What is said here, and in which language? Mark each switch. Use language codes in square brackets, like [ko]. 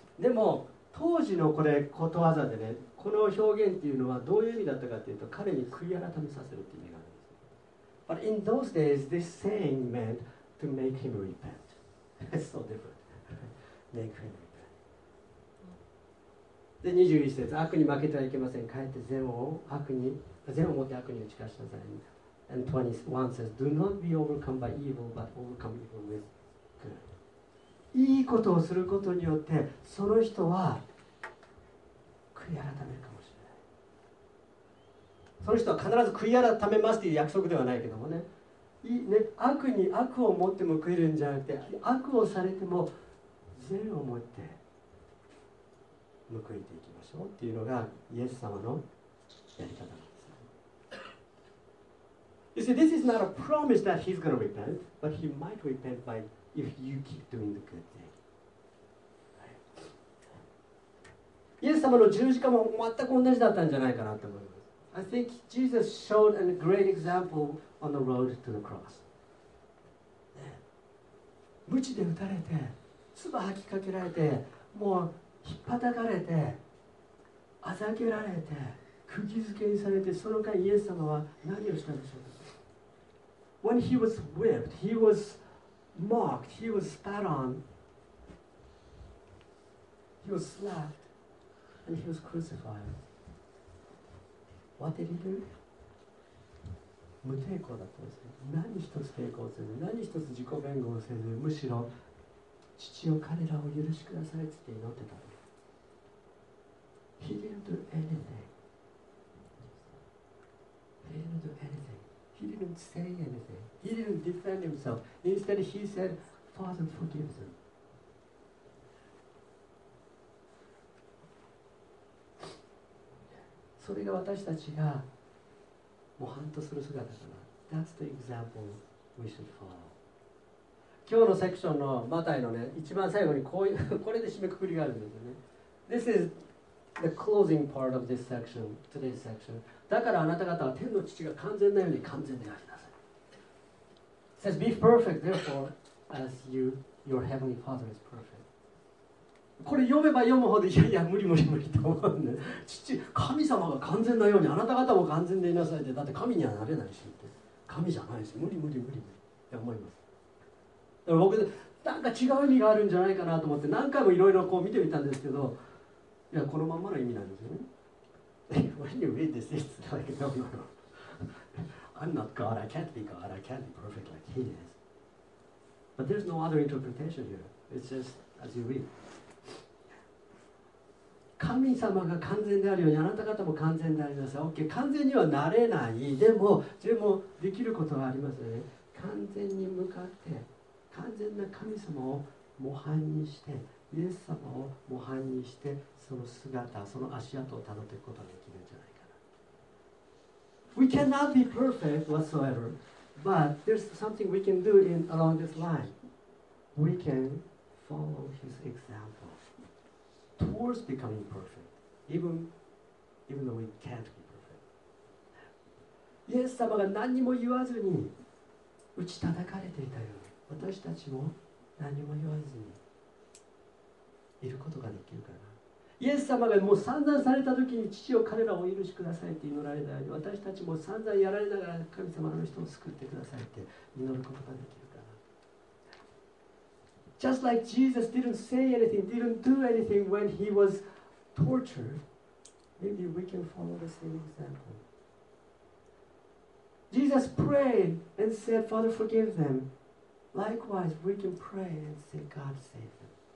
[ja] でも、当時のこれ、ことわざでね、この表現っていうのはどういう意味だったかというと、彼に悔い改めさせるっていう意味があるんです。 [en] But in those days, this saying meant to make him repent. It's so different. Make him repent. [ja] で、21節、悪に負けてはいけません。かえって善を持って悪に打ち勝ちなさい。 [en] And 21 says, Do not be overcome by evil, but overcome evil with good. [ja] いいことをすることによってその人は悔い改めるかもしれない。その人は必ず悔い改めますという約束ではないけどもね、ね、悪に悪を持って報いるんじゃなくて悪をされても善を持って報いていきましょうっていうのがイエス様のやり方なんです。 [en] You see, this is not a promise that he's going to repent, but he might repent byIf you keep doing the good thing. [ja] イエス様の十字架も全く同じだったんじゃないかなと思います。 [en] I think Jesus showed a great example on the road to the cross. [ja] 鞭で打たれて、唾吐きかけられて、もう引っ叩かれて、あざけられて、釘付けにされて、その間イエス様は何をしたんでしょうか。 [en] When he was whipped, he wasmocked, he was spat on, he was slapped, and he was crucified. What did he do? [ja] 無抵抗だったんですね。何一つ抵抗せず、何一つ自己弁護をせず、むしろ父を彼らを許しくださいつって祈ってたんです。 [en] He didn't do anything. He didn't do anything. He didn't say anything. He didn't defend himself. Instead, he said, Father, forgive them. [ja] それが私たちが模範とする姿かな。 [en] That's the example we should follow. [ja] 今日のセクションのマタイのね、一番最後にこういうこれで締めくくりがあるんですよね。 [en] This is the closing part of this section, today's section. [ja] だからあなた方は天の父が完全なように完全でありなさい。 [en] It says, be perfect, therefore, as you, your heavenly Father is perfect. [ja] これ読めば読むほどいやいや無理無理無理と思うんで、父神様が完全なようにあなた方も完全でいなさいって、だって神にはなれないしって、神じゃないし無理無理無理無理って思います。だから僕なんか違う意味があるんじゃないかなと思って何回もいろいろこう見てみたんですけど、いやこのまんまの意味なんですよね。 [en] When you read this, it's like, no, no, no. I'm not God, I can't be God, I can't be perfect like He is. But there's no other interpretation here. It's just as you read. [ja] 神様が完全であるようにあなた方も完全でありなさい。 OK、完全にはなれない。でもできることはありますね。完全に向かって完全な神様を模範にして、イエス様を模範にして、その姿その足跡をたどっていくことができるんじゃないかな。 [en] We cannot be perfect whatsoever, but there's something we can do in along this line. We can follow his example. Towards becoming perfect, even though we can't be perfect. [ja] イエス様が何も言わずに打ち叩かれていたように、私たちも何も言わずにいることができるかな。イエス様がもう散々された時に父を彼らを許しくださいって祈られたように、私たちも散々やられながら神様の人を救ってくださいって祈ることができる。 [en] Just like Jesus didn't say anything, didn't do anything when he was tortured, maybe we can follow the same example. Jesus prayed and said, Father, forgive them. Likewise, we can pray and say, God, save them.